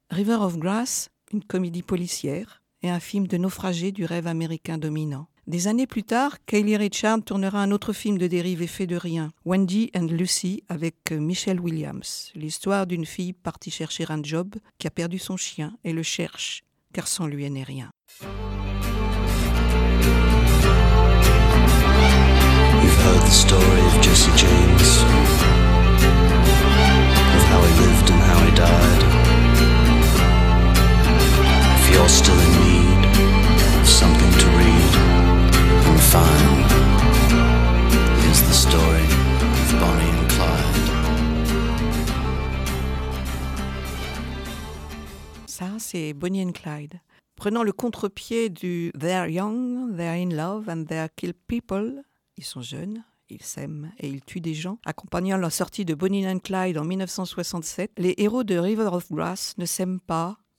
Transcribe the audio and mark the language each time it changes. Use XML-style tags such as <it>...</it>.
<fr>River of Grass, une comédie policière, et un film de naufragé du rêve américain dominant. Des années plus tard, Kelly Reichardt tournera un autre film de dérive et fait de rien, Wendy and Lucy avec Michelle Williams, l'histoire d'une fille partie chercher un job qui a perdu son chien et le cherche, car sans lui elle n'est rien.</fr> <en>We've heard the story of Jesse James, of how he lived and how he died. You're still in need of something to read and find. Here's the story of Bonnie and Clyde.</en> <fr>Ça, c'est Bonnie and Clyde. Prenant le contre-pied du</fr> <en>They're young, they're in love and they kill people,</en> <fr>ils sont jeunes. Ils s'aiment et ils tuent des gens. Accompagnant la sortie de Bonnie and Clyde en 1967, les héros de River of Grass ne s'aiment pas.</fr>